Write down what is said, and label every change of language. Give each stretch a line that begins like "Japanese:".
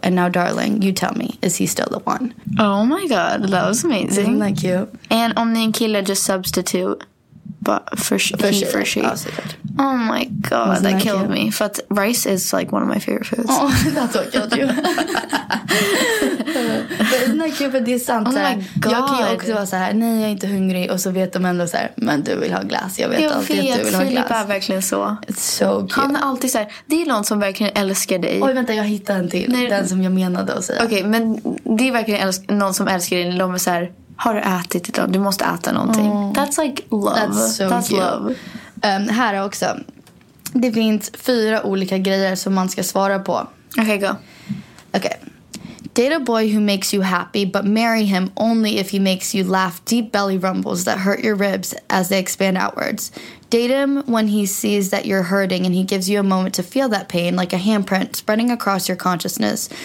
English: And now, darling, you tell me, is he still the one? Oh, my God. That was amazing. Thank you. And Omni and Kila just substitute. But for sure. Oh my God, that killed me. But rice is like one of my favorite foods. Oh, that's what killed you. But isn't that cute?
Swedish: För det är sant.
English: Oh my God.
Swedish: Jag kan ju också vara så här, nej jag är inte hungrig. Och så vet de ändå så här, men du vill ha glass. Jag vet jag alltid vet, att du vill ha glass. Filip är verkligen så.
English: It's so cute.
Swedish: Han är alltid så här, det är någon som verkligen älskar dig. Oj vänta, jag hittade en till. Nej. Den som jag menade att säga. Okej, okay, men det är verkligen någon som älskar dig. De är så här, har du ätit idag? Du måste äta någonting.
English: Oh, that's like love. That's so that's cute. Love.
Swedish: Här är också. Det finns fyra olika grejer som man ska svara på.
English: Okay, go. Okay. Date a boy who makes you happy, but marry him only if he makes you laugh deep belly rumbles that hurt your ribs as they expand outwards. Date him when he sees that you're hurting and he gives you a moment to feel that pain, like a handprint spreading across your consciousness.